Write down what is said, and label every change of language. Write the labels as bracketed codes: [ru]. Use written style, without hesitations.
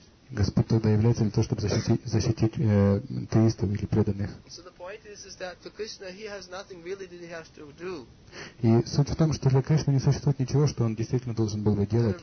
[ru] Господь тогда является для того, чтобы защитить теистов или преданных. [en] So the point is that for Krishna he has nothing really that he has to do. [ru] И суть в том, что для Кришны не существует ничего, что он действительно должен был бы делать.